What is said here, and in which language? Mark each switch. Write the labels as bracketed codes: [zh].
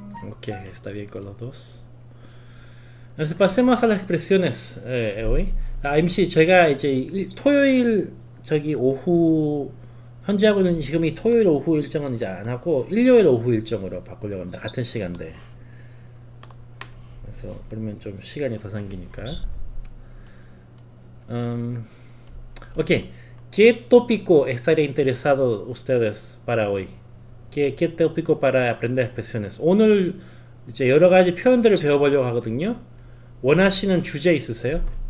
[es] Ok, está bien con los dos. Entonces pasemos a las expresiones hoy. [ko] 임씨, 제가 이제 토요일 저기 오후 현재 하고 있는 지금 이 토요일 오후 일정은 이제 안 하고 일요일 오후 일정으로 바꾸려고 합니다. 같은 시간대. 그래서 그러면 좀 시간이 더 생기니까. 오케이. [es] ¿Qué tópico estaría interesado ustedes para hoy? ¿Qué tópico para aprender expresiones? [ko] 오늘 이제 여러 가지 표현들을 배워보려고 하거든요. 원하시는 주제 있으세요?